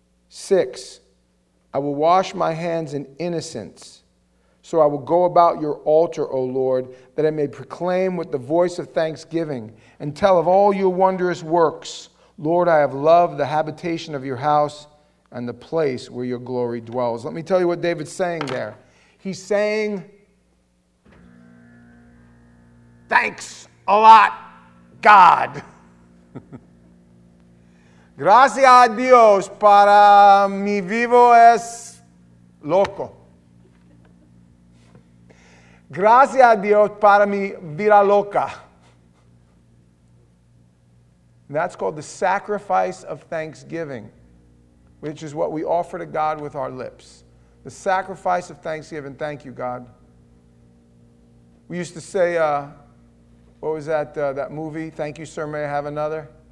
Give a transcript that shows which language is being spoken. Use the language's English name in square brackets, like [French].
[English] 6, I will wash my hands in innocence, so I will go about your altar, O Lord, that I may proclaim with the voice of thanksgiving and tell of all your wondrous works. Lord, I have loved the habitation of your house and the place where your glory dwells. Let me tell you what David's saying there. He's saying, thanks a lot, God. [Spanish] Gracias a Dios para mi vivo es loco. Gracias a Dios para mi vida loca. [English] And that's called the sacrifice of thanksgiving, which is what we offer to God with our lips. The sacrifice of thanksgiving. Thank you, God. We used to say, what was that, that movie? Thank you, sir, may I have another?